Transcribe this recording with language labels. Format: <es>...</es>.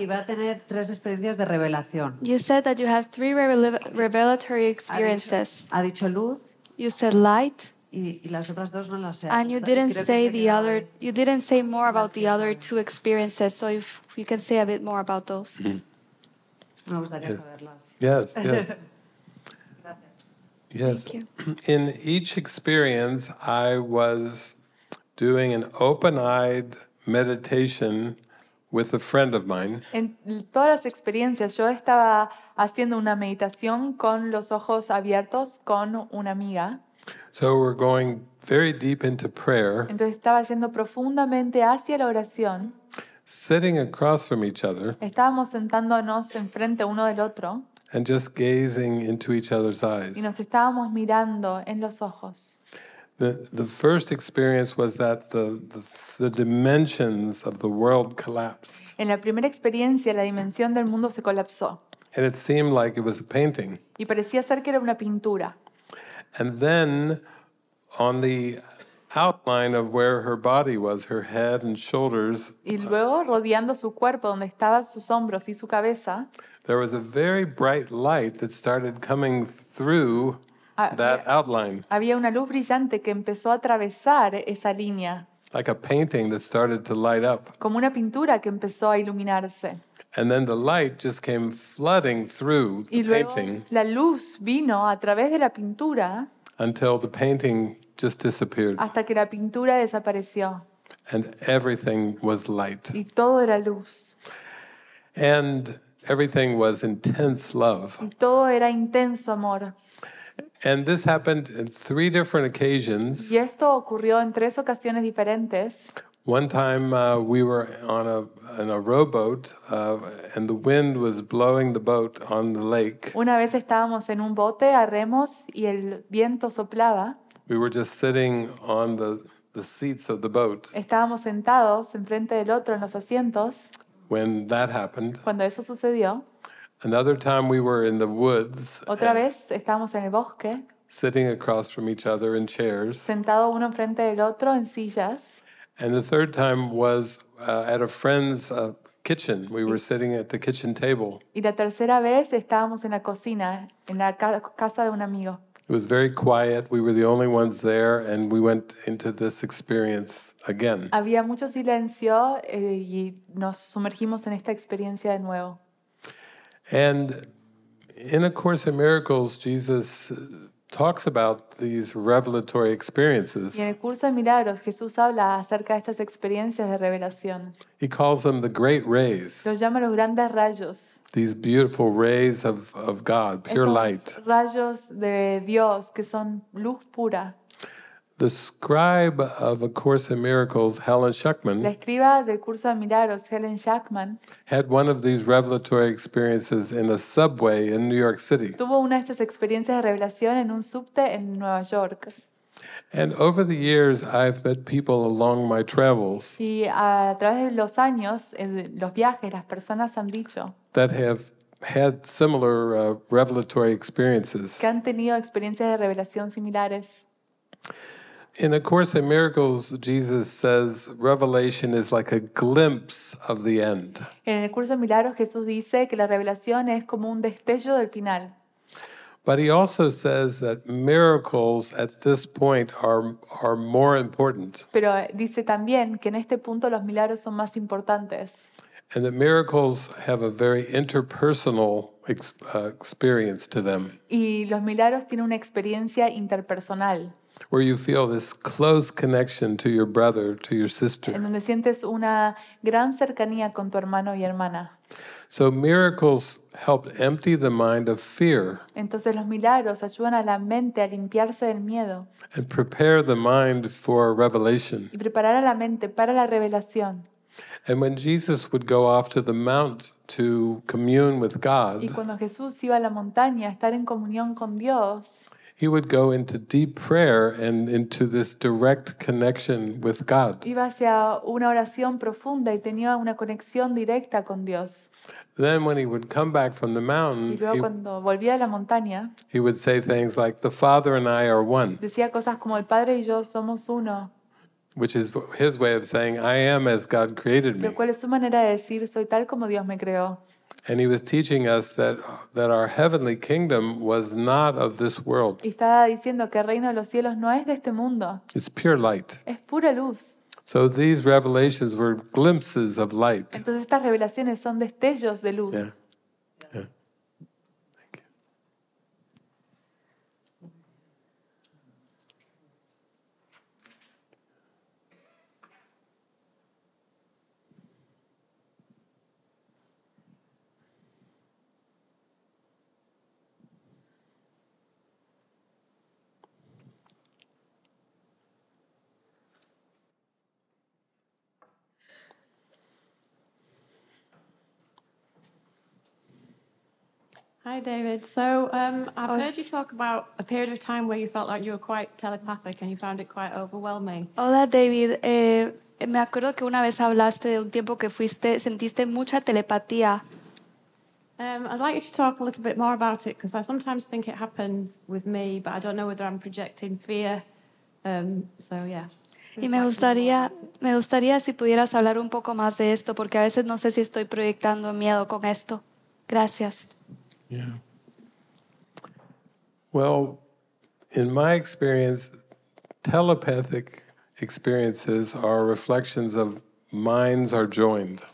<es>Y va a tener tres experiencias de revelación.</es> <en>You said that you have three revelatory experiences.</en> <es>Ha dicho luz.</es> <en>You said light.</en> <es>Y las otras dos no las sé.</es> <en>And you didn't say the other. You didn't say more about the other two experiences. So if you can say a bit more about those.</en> <es>Me gustaría saberlas.</es> <en>Yes.</en> <es>Gracias.</es> <en>Yes. Thank you. In each experience, I was doing an open-eyed meditation with a friend of mine.</en> <es>En todas las experiencias, yo estaba haciendo una meditación con los ojos abiertos con una amiga.</es> <en>So we're going very deep into prayer.</en> <es>Entonces estaba yendo profundamente hacia la oración.</es> <en>Sitting across from each other.</en> <es>Estábamos sentándonos enfrente uno del otro.</es> <en>And just gazing into each other's eyes.</en> <es>Y nos estábamos mirando en los ojos.</es> <en>The first experience was that the dimensions of the world collapsed.</en> <es>En la primera experiencia, la dimensión del mundo se colapsó.</es> <en>And it seemed like it was a painting.</en> <es>Y parecía ser que era una pintura.</es> <en>And then, on the outline of where her body was, her head and shoulders.</en> <es>Y luego, rodeando su cuerpo, donde estaban sus hombros y su cabeza.</es> <en>There was a very bright light that started coming through. That outline.</en> <es>Había una luz brillante que empezó a atravesar esa línea.</es> <en>Like a painting that started to light up.</en> <es>Como una pintura que empezó a iluminarse.</es> <en>And then the light just came flooding through the painting.</en> <es>Y luego la luz vino a través de la pintura.</es> <en>Until the painting just disappeared.</en> <es>Hasta que la pintura desapareció.</es> <en>And everything was light.</en> <es>Y todo era luz.</es> <en>And everything was intense love.</en> <es>Y todo era intenso amor.</es> <en>And this happened in three different occasions.</en> <es>Y esto ocurrió en tres ocasiones diferentes.</es> <en>One time we were on a rowboat and the wind was blowing the boat on the lake.</en> <es>Una vez estábamos en un bote a remos y el viento soplaba.</es> <en>We were just sitting on the seats of the boat.</en> <es>Estábamos sentados enfrente del otro en los asientos.</es> <en>When that happened.</en> <es>Cuando eso sucedió.</es> <en>Another time we were in the woods.</en> <es>Otra vez estábamos en el bosque.</es> <en>Sitting across from each other in chairs.</en> <es>Sentado uno enfrente del otro en sillas.</es> <en>And the third time was at a friend's kitchen. We were sitting at the kitchen table.</en> <es>Y la tercera vez estábamos en la cocina, en la casa de un amigo.</es> <en>It was very quiet. We were the only ones there, and we went into this experience again.</en> <es>Había mucho silencio y nos sumergimos en esta experiencia de nuevo.</es> <en>And in A Course in Miracles, Jesus talks about these revelatory experiences.</en> <es>Y en el curso de milagros, Jesús habla acerca de estas experiencias de revelación.</es> <en>He calls them the great rays.</en> <es>Los llama los grandes rayos.</es> <en>These beautiful rays of God, pure light.</en> <es>Estos rayos de Dios que son luz pura.</es> <en>The scribe of A Course in Miracles, Helen Schuckman,</en> <es>la escriba del curso de milagros, Helen Schuckman,</es> <en>had one of these revelatory experiences in a subway in New York City.</en> <es>Tuvo una de estas experiencias de revelación en un subte en Nueva York.</es> <en>And over the years, I've met people along my travels.</en> <es>Y a través de los años, en los viajes, las personas han dicho</es> <en>that have had similar revelatory experiences.</en> <es>Que han tenido experiencias de revelación similares.</es> <en>In A Course in Miracles, Jesus says revelation is like a glimpse of the end.</en> <es>En el curso de milagros, Jesús dice que la revelación es como un destello del final.</es> <en>But he also says that miracles at this point are more important.</en> <es>Pero dice también que en este punto los milagros son más importantes.</es> <en>And that miracles have a very interpersonal experience to them.</en> <es>Y los milagros tienen una experiencia interpersonal.</es> <en>Where you feel this close connection to your brother, to your sister.</en> <es>En donde sientes una gran cercanía con tu hermano y hermana.</es> <en>So miracles help empty the mind of fear.</en> <es>Entonces los milagros ayudan a la mente a limpiarse del miedo.</es> <en>And prepare the mind for revelation.</en> <es>Y preparar a la mente para la revelación.</es> <en>And when Jesus would go off to the mount to commune with God.</en> <es>Y cuando Jesús iba a la montaña a estar en comunión con Dios.</es> <en>He would go into deep prayer and into this direct connection with God.</en> <es>Iba hacia una oración profunda y tenía una conexión directa con Dios.</es> <en>Then when he would come back from the mountain,</en> <es>y luego cuando volvía de la montaña,</es> <en>he would say things like, "The Father and I are one."</en> <es>Decía cosas como el Padre y yo somos uno.</es> <en>Which is his way of saying, "I am as God created me."</en> <es>Lo cual es su manera de decir, soy tal como Dios me creó.</es> <en>And he was teaching us that our heavenly kingdom was not of this world.</en> <es>Y estaba diciendo que el reino de los cielos no es de este mundo.</es> <en>It's pure light.</en> <es>Es pura luz.</es> <en>So these revelations were glimpses of light.</en> <es>Entonces estas revelaciones son destellos de luz.</es> <en>Yeah. Yeah. Hi, David. So I've heard you talk about a period of time where you felt like you were quite telepathic and you found it quite overwhelming.</en> <es>Hola, David. Me acuerdo que una vez hablaste de un tiempo que sentiste mucha telepatía. I'd like you to talk a little bit more about it because I sometimes think it happens with me, but I don't know whether I'm projecting fear. Y me gustaría si pudieras hablar un poco más de esto porque a veces no sé si estoy proyectando miedo con esto. Gracias.</es> <en>Yeah. Well, in my experience, telepathic experiences are reflections of minds are joined.</en>